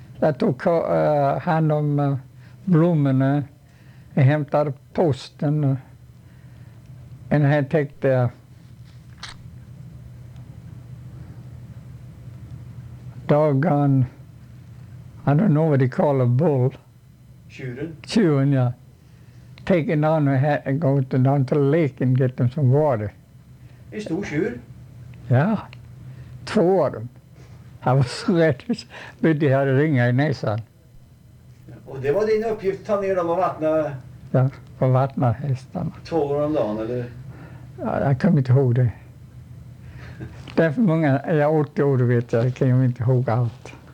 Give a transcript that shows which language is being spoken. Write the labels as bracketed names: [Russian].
[Swedish] Jag tog hand om blommorna. Jag hämtade posten och här täckte jag dagen, [English] I don't know what they call a bull. [Swedish] Tjuren, ja. [English] Take it down and go to down to the lake and get them some water. [Swedish] En stor tjur? Ja, två av dem. Jag var så rädd, men de hade ringa i näsan. Och det var din uppgift, ta ner dem och vattna? Ja, på vattna hästarna. Två gånger om dagen, eller? Ja, jag kommer inte ihåg det. Det är för många, jag är 80 år, vet jag. Jag kan ju inte ihåg allt.